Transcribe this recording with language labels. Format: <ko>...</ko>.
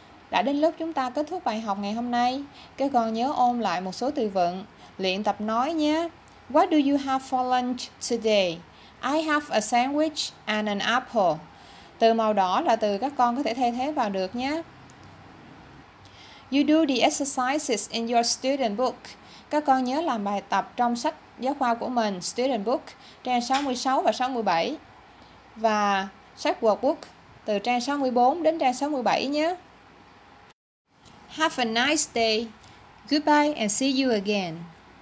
<vi>Đã đến lúc chúng ta kết thúc bài học ngày hôm nay. Các con nhớ ôn lại một số từ vựng, luyện tập nói nhé.</vi> <en>What do you have for lunch today? I have a sandwich and an apple.</en> <vi>Từ màu đỏ là từ các con có thể thay thế vào được nhé.</vi> <en>You do the exercises in your student book.</en> <vi>Các con nhớ làm bài tập trong sách giáo khoa của mình, student book, trang 66 và 67. Và sách workbook từ trang 64 đến trang 67 nhé.</vi> <en>Have a nice day. Goodbye and see you again.</en>